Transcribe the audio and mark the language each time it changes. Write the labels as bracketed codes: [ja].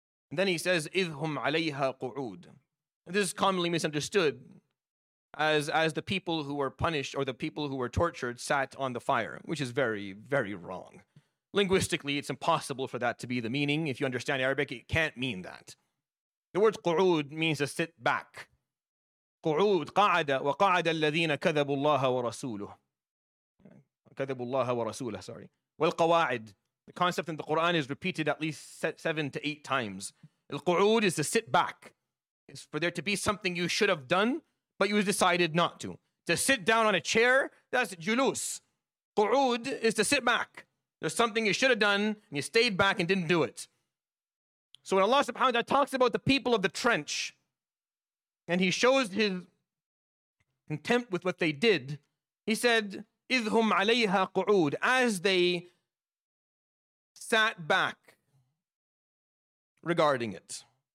[en] And then he says, [ar] Idhum alayha qu'ud. [en] This is commonly misunderstood as the people who were punished or the people who were tortured sat on the fire, which is very, very wrong. Linguistically, it's impossible for that to be the meaning. If you understand Arabic, it can't mean that. The word qu'ud means to sit back. [ar] قعود قعد وقعد الذين كذبوا الله ورسوله كذبوا الله ورسوله [en] sorry [ar] والقواعد. [en] The concept in the Quran is repeated at least 7 to 8 times. القعود is to sit back. It's for there to be something you should have done, but you decided not to. To sit down on a chair, that's julus. قعود is to sit back. There's something you should have done, and you stayed back and didn't do it. So when Allah subhanahu wa ta'ala talks about the people of the trench, and he shows his contempt with what they did, he said, [ar] Idhum alayha qu'ud, [en] as they sat back regarding it.